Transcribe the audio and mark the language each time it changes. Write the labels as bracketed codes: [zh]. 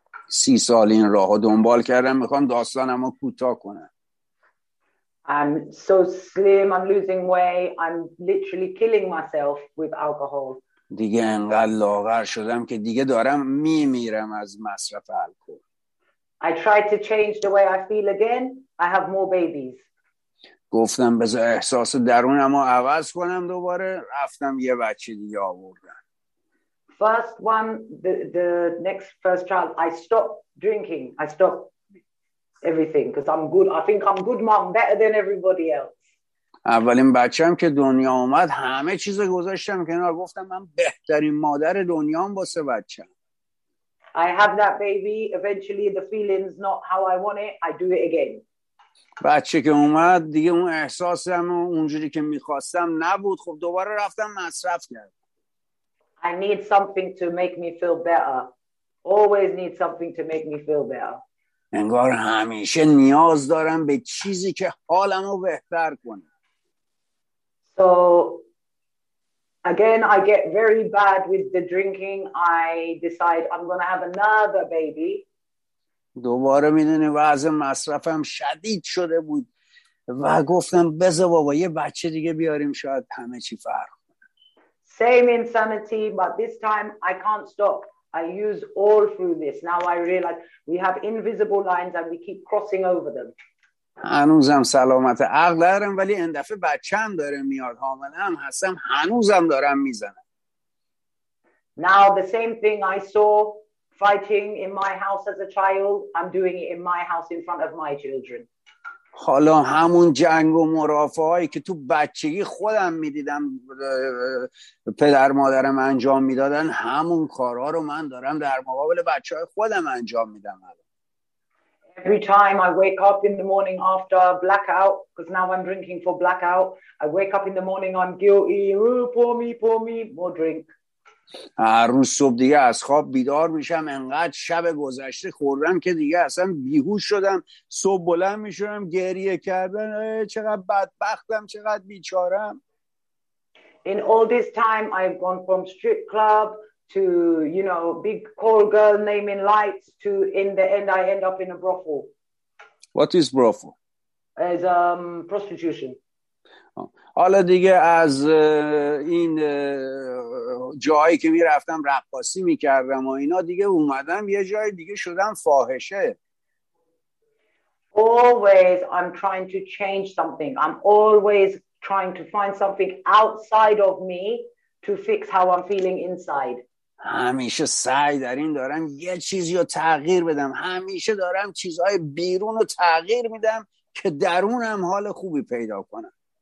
[fa] 30 سال این راهو دنبال کردم، میخوام داستانمو کوتاه کنم. [en] I'm so slim, I'm losing weight, I'm literally killing myself with alcohol. [fa] دیگه انقدر لاغر شدم که دیگه دارم میمیرم از مصرف الکل. [en] I tried to change the way I feel again. I have more babies. [fa] گفتم بذار احساس درونم رو عوض کنم دوباره. رفتم یه بچه دیگه آوردم. [en] First one, the next first child, I stopped drinking. I stopped everything because I'm good. I think I'm good mom, better than everybody else. [fa] اولین بچه‌ام که دنیا اومد همه چیز رو گذاشتم کنار، گفتم من بهترین مادر دنیام واسه بچه‌ام. [en] I have that baby, eventually the feeling's not how I want it, I do it again. [fa] بچه که اومد دیگه اون احساسم اونجوری که می‌خواستم نبود، خب دوباره رفتم مصرف کردم. [en] I need something to make me feel better. Always need something to make me feel better. [fa] انگار همیشه نیاز دارم به چیزی که حالمو بهتر کنه. [en] So again, I get very bad with the drinking. I decide I'm going to have another baby. [fa] دوباره میدونی وضع مصرفم شدید شده بود و گفتم بذار بابا یه بچه دیگه بیاریم شاید همه چی فرق کنه. [en] Same insanity, but this time I can't stop. I use all through this. Now I realize we have invisible lines and we keep crossing over them. [fa] هنوزم سلامت عقل دارم ولی این دفعه بچه‌ام داره میاد، حاملم هستم، هنوزم دارم میزنم. [en] Now the same thing I saw fighting in my house as a child, I'm doing it in my house in front of my children. [fa] حالا همون جنگ و مرافعه‌ای که تو بچگی خودم میدیدم پدر مادرم انجام میدادن، همون کارا رو من دارم در مقابل بچه‌های خودم انجام میدم. [en] Every time I wake up in the morning after blackout, because now I'm drinking for blackout, I wake up in the morning, I'm guilty. Ooh, poor me, more drink. [fa] هر روز صبح دیگه از خواب بیدار میشم، انقدر شب گذشته خوردم که دیگه اصلا بیهوش شدم، صبح بلند میشم گریه کردن، چقدر بدبختم، چقدر بیچارم. [en] In all this time, I've gone from strip club to, you know, big call girl naming lights, to in the end I end up in a brothel. What is brothel? As prostitution. [fa] حالا دیگه از این جایی که میرفتم رقاصی میکردم و اینا، دیگه اومدم یه جای دیگه شدم فاحشه. [en] Always I'm trying to change something. I'm always trying to find something outside of me to fix how I'm feeling inside. [fa] همیشه سعی در این دارم یه چیزی رو تغییر بدم، همیشه دارم چیزهای بیرون رو تغییر میدم که درونم حال خوبی پیدا کنم.